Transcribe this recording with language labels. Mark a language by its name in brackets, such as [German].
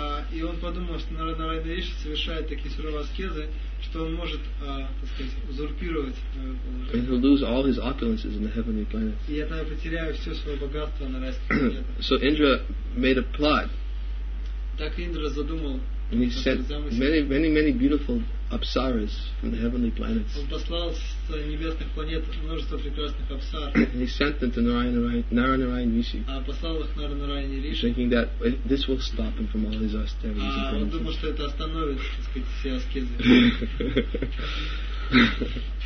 [Russian] И он подумал, что Нарайана Риши совершает такие суровые аскезы, что он может, узурпировать. [English] And he'll lose all his opulences in the heavenly planets. [Russian] И я там потеряю все свое богатство на райских планетах. [English] So Indra made a plot. [Russian] Так Индра задумал. [English] And he sent many, many, many beautiful apsaras from the heavenly planets. [Russian] Он послал с небесных планет множество прекрасных апсар. [English] And he sent them to Narayana Rishi. [Russian] А послал их Нарайана Риши. [English] Thinking that this will stop him from all his austerities. [Russian] А он думал, что это остановит, так сказать, все аскезы.